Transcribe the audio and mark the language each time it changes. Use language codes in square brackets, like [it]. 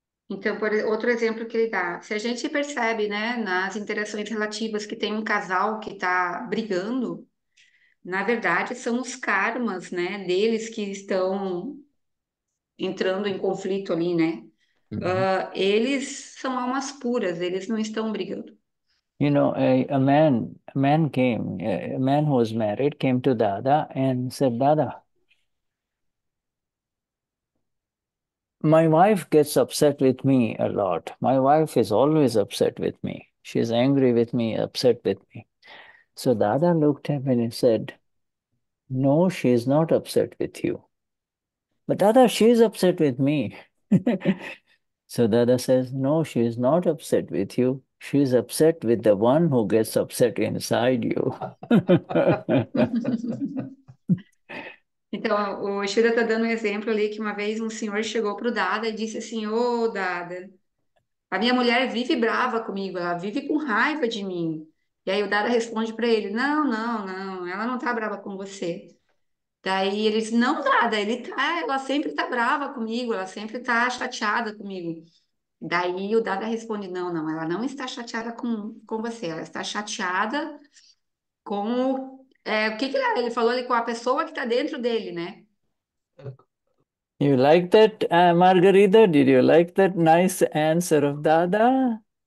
[pt] Então, por outro exemplo que ele dá, se a gente percebe, né, nas interações relativas que tem um casal que está brigando, na verdade são os karmas, né, deles que estão entrando em conflito ali, né? Eles são almas puras, eles não estão brigando. [en] You know, a man came, a man who was married came to Dada and said, Dada, my wife gets upset with me a lot. My wife is always upset with me. She's angry with me, upset with me. So Dada looked at him and said, no, she is not upset with you. But Dada, she is upset with me. So Dada says, no, she is not upset with you. She is upset with the one who gets upset inside you. [pt] Então, o Shira está dando um exemplo ali que uma vez um senhor chegou para o Dada e disse assim: Ô, Dada, a minha mulher vive brava comigo, ela vive com raiva de mim. E aí o Dada responde para ele: Não, não, não, ela não está brava com você. Daí ele diz: Não, Dada, ela sempre está brava comigo, ela sempre está chateada comigo. Daí o Dada responde: Não, não, ela não está chateada com você, ela está chateada. O que que ele falou ali com a pessoa que está dentro dele, né? [en] You like that, Margarida? Did you like that nice answer of Dada?